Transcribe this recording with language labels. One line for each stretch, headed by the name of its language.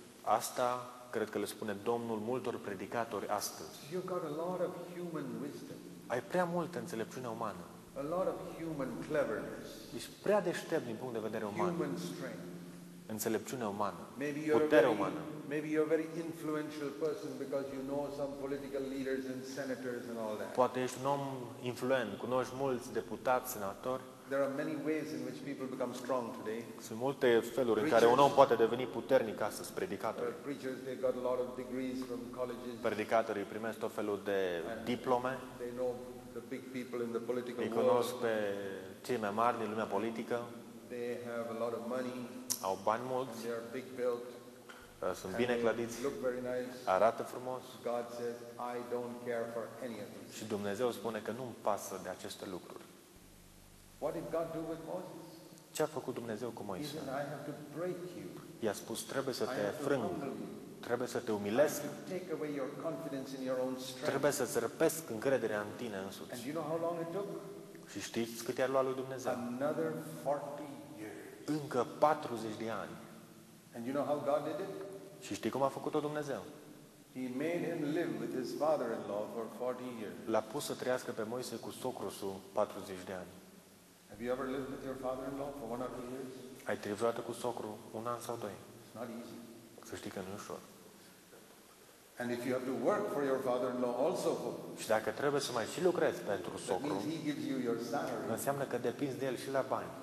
Romanian: Asta cred că le spune Domnul multor predicatori astăzi.
English: You've got a lot of human wisdom.
Romanian: Ai prea multă înțelepciune umană.
English: A lot of human cleverness.
Romanian: Ești prea deștept din punct de vedere uman.
English: Human strength.
Romanian: Înțelepciune umană.
English: Maybe you're
Romanian: putere umană.
English: Maybe you're a very influential person because you know some political leaders and senators and all that.
Romanian: Poate ești un om influent, cunoști mulți deputați, senatori.
English: There are many ways in which people become strong today.
Romanian: Sunt multe feluri în care un om poate deveni puternic astăzi, predicatorii.
English: Preachers, they got a lot of degrees from colleges.
Romanian: Predicatorii primesc tot felul de diplome.
English: They know the big people in the political world.
Romanian: Îi cunosc pe cei mai mari din lumea politică.
English: They have a lot of money.
Romanian: Au bani mulți.
English: They are big built.
Romanian: Sunt bine clădiți.
English: Look very nice.
Romanian: Arată frumos.
English: God says, I don't care for any of these.
Romanian: Și Dumnezeu spune că nu-mi pasă de aceste lucruri.
English: What did God do with Moses?
Romanian: Ce a făcut Dumnezeu cu Moise?
English: He said, I have to break you.
Romanian: I-a spus, trebuie să te frâng. Trebuie să te umilesc.
English: Take away your confidence in your own strength.
Romanian: Trebuie să-ți răpesc încrederea în tine însuți.
English: And you know how long it took?
Romanian: Și știți cât i-a luat lui Dumnezeu?
English: Another 40 years.
Romanian: Încă 40 de ani.
English: And you know how God did it?
Romanian: Și știi cum a făcut-o Dumnezeu?
English: He made him live with his father-in-law for 40 years.
Romanian: L-a pus să trăiască pe Moise cu socrul 40 de ani.
English: Have you ever lived with your father-in-law for one or two years?
Romanian: Ai trăit vreodată cu socrul un an sau doi?
English: It's not easy.
Romanian: Să știi că nu e ușor.
English: And if you have to work for your father-in-law also.
Romanian: Și dacă trebuie să mai și lucrezi pentru socru.
English: He gives you your salary.
Romanian: Înseamnă că depinzi de el și la bani.